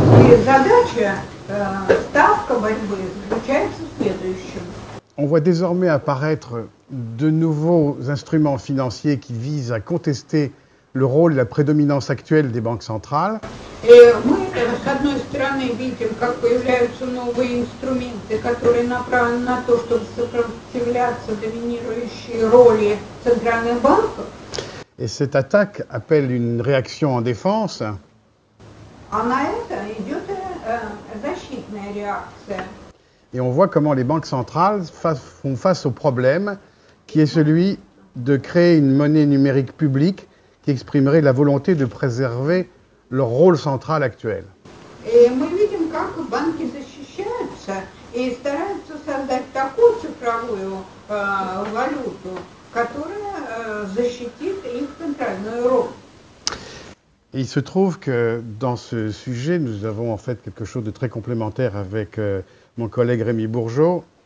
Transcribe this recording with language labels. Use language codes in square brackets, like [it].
[ru] Et задача, ставка борьбы заключается в следующем. [fr] On voit désormais apparaître de nouveaux instruments financiers qui visent à contester le rôle et la prédominance actuelle des banques centrales. [ru] Et мы, с одной стороны, видим, как появляются новые инструменты, которые направлены на то, чтобы сопротивляться доминирующей роли центральных банков. [fr] Et cette attaque appelle une réaction en défense. [ru] А на это идет защитная реакция. [fr] Et on voit comment les banques centrales font face au problème qui est celui de créer une monnaie numérique publique qui exprimerait la volonté de préserver leur rôle central actuel. [ru] Et мы видим, как банки защищаются и стараются создать такую цифровую валюту, которая защитит их центральную роль. [fr] Et il se trouve que dans ce sujet, nous avons en fait quelque chose de très complémentaire avec mon collègue Rémi Bourgeot.